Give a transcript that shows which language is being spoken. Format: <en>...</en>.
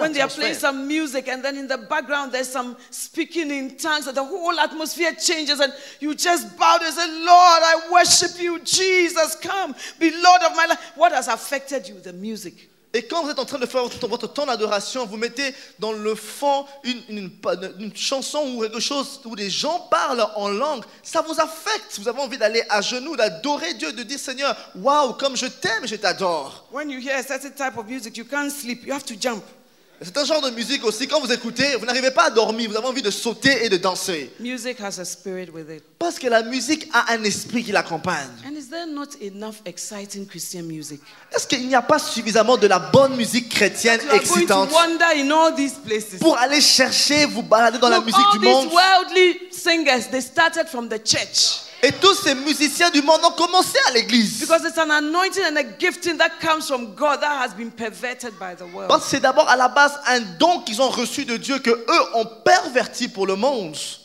<en>When</en> <fr>atmosphère.</fr> <en>When they are playing some music and then in the background there's some speaking in tongues, and the whole atmosphere changes and you just bow and say, Lord, I worship you, Jesus, come, be Lord of my life. What has affected you? The music.</en> <fr>Et quand vous êtes en train de faire votre temps d'adoration, vous mettez dans le fond une chanson ou quelque chose où des gens parlent en langue, ça vous affecte. Vous avez envie d'aller à genoux, d'adorer Dieu, de dire Seigneur, waouh, comme je t'aime, je t'adore.</fr> <en>When you hear a certain type of music, you can't sleep, you have to jump.</en> <fr>C'est un genre de musique aussi, quand vous écoutez, vous n'arrivez pas à dormir, vous avez envie de sauter et de danser.</fr> <en>Music has a spirit with it.</en> <fr>Parce que la musique a un esprit qui l'accompagne.</fr> <en>And is there not enough exciting Christian music?</en> <fr>Est-ce qu'il n'y a pas suffisamment de la bonne musique chrétienne excitante</fr> <en>to wander in all these places?</en> <fr>Pour aller chercher, vous balader dans</fr> <en>Look,</en> <fr>la musique</fr> <en>all</en> <fr>du</fr> <en>these</en> <fr>monde</fr> <en>worldly singers, they started from the church.</en> <fr>Et tous ces musiciens du monde ont commencé à l'église.</fr> <en>Because it's an anointing and a gifting that comes from God that has been perverted by the world.</en> <fr>Parce que c'est d'abord à la base un don qu'ils ont reçu de Dieu que eux ont perverti pour le monde.</fr>